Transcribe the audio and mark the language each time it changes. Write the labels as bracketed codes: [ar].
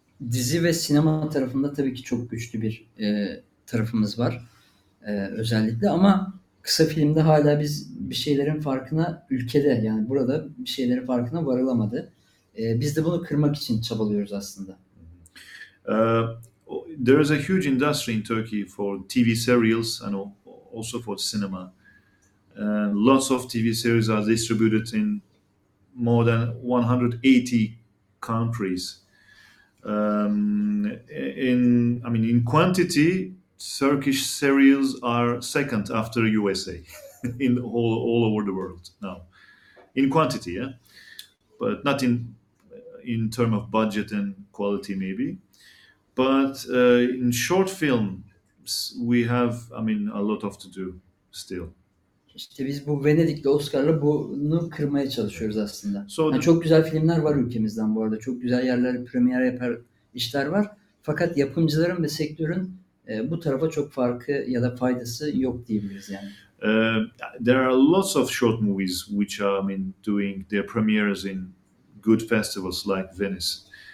[tr] dizi ve sinema tarafında tabii ki çok güçlü bir tarafımız var özellikle, ama kısa filmde hala biz bir şeylerin farkına ülkede, yani burada bir şeylerin farkına varılamadı. Biz de bunu kırmak için çabalıyoruz aslında. [en] There is a huge industry in Turkey for TV serials and also for cinema. Lots of TV series are distributed in more than 180 countries. In quantity, Turkish serials are second after USA in all over the world now. In quantity, yeah, but not in term of budget and quality maybe. But in short films, we have a lot of to do still. [tr] İşte biz bu Venedik'le, Oscar'la bunu kırmaya çalışıyoruz aslında. Yani çok güzel filmler var ülkemizden bu arada. Çok güzel yerler, premier yapar işler var. Fakat yapımcıların ve sektörün bu tarafa çok farkı ya da faydası yok diyebiliriz yani. [en] There are lots of short movies which are doing their premieres in good festivals like Venice.